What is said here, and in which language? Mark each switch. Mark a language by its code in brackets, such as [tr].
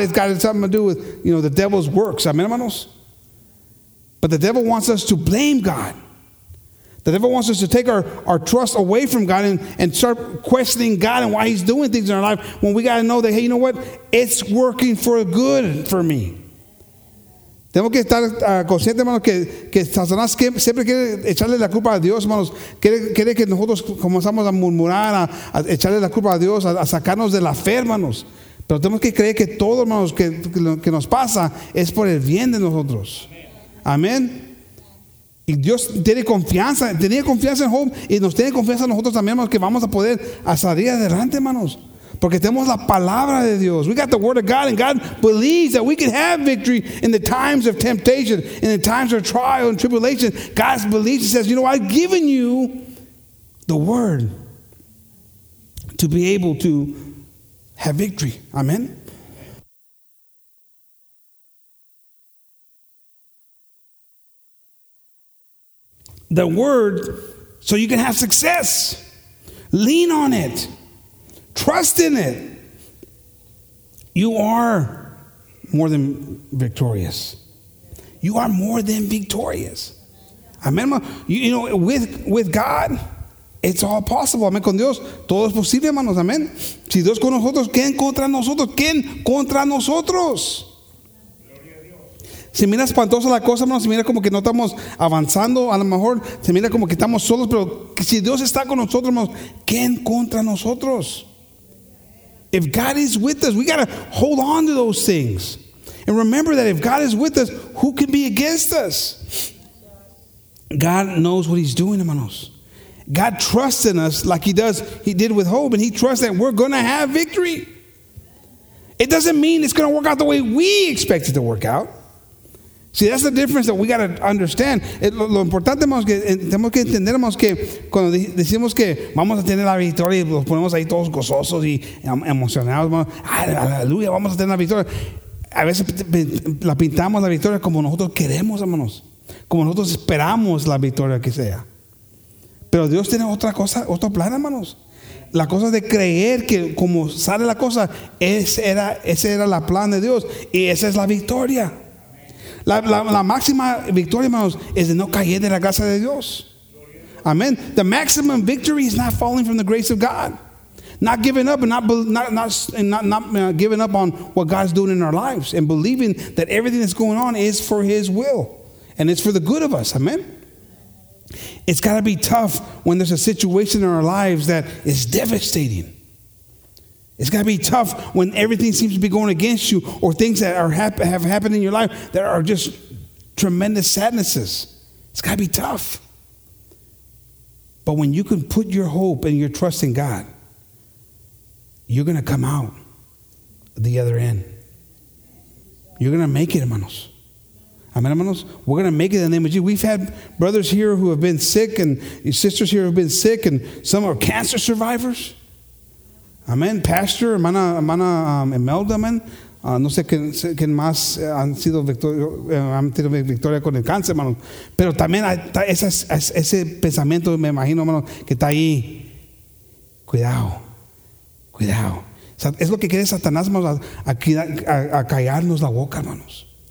[en] It's got something to do with, you know, the devil's works. Amen, hermanos? But the devil wants us to blame God. The devil wants us to take our trust away from God and start questioning God and why he's doing things in our life, when we got to know that, hey, you know what? It's working for good for me. [es] Tenemos que estar conscientes, hermanos, que Satanás siempre quiere echarle la culpa a Dios, hermanos. Quiere que nosotros comenzamos a murmurar, a echarle la culpa a Dios, a sacarnos de la fe, hermanos. Pero tenemos que creer que todo, hermanos, que nos pasa es por el bien de nosotros. Amén. Y Dios tiene confianza, tenía confianza en Job y nos tiene confianza en nosotros también, hermanos, que vamos a poder salir adelante, hermanos. Porque tenemos la palabra de Dios. [en] We got the word of God, and God believes that we can have victory in the times of temptation, in the times of trial and tribulation. God believes, he says, you know, I've given you the word to be able to have victory. Amen. The word, so you can have success. Lean on it. Trust in it. You are more than victorious. You are more than victorious. Amen. You know, with God, it's all possible. Amen. [es] Con Dios, todo es posible, hermanos. Amen. Si Dios con nosotros, ¿quién contra nosotros? ¿Quién contra nosotros? Se mira espantosa la cosa, hermanos. Se mira como que no estamos avanzando. A lo mejor se mira como que estamos solos. Pero si Dios está con nosotros, hermanos, ¿quién contra nosotros? [en] If God is with us, we got to hold on to those things. And remember that if God is with us, who can be against us? God knows what he's doing, hermanos. God trusts in us like he did with Job. And he trusts that we're going to have victory. It doesn't mean it's going to work out the way we expect it to work out. See, that's the difference that we got to understand. [es] Lo importante, hermanos, que tenemos que entender, hermanos, que cuando decimos que vamos a tener la victoria y los ponemos ahí todos gozosos y emocionados, hermanos, aleluya, vamos a tener la victoria. A veces la pintamos la victoria como nosotros queremos, hermanos, como nosotros esperamos la victoria que sea. Pero Dios tiene otra cosa, otro plan, hermanos. La cosa de creer que como sale la cosa, ese era la plan de Dios y esa es la victoria. La máxima victoria, hermanos, es de no caer de la gracia de Dios. Amen. [en] The maximum victory is not falling from the grace of God. Not giving up and not giving up on what God's doing in our lives and believing that everything that's going on is for his will and it's for the good of us. Amen. It's got to be tough when there's a situation in our lives that is devastating. It's got to be tough when everything seems to be going against you or things that have happened in your life that are just tremendous sadnesses. It's got to be tough. But when you can put your hope and your trust in God, you're going to come out the other end. You're going to make it, hermanos. Amen, hermanos. We're going to make it in the name of Jesus. We've had brothers here who have been sick and sisters here who have been sick and some are cancer survivors. Amen. Pastor, hermana Imelda, amen. [es] No sé quién más han tenido victoria con el cáncer, hermano. Pero también ese pensamiento, me imagino, hermano, que está ahí. Cuidado. Cuidado. Es lo que quiere Satanás, hermano, a callarnos la boca, hermanos.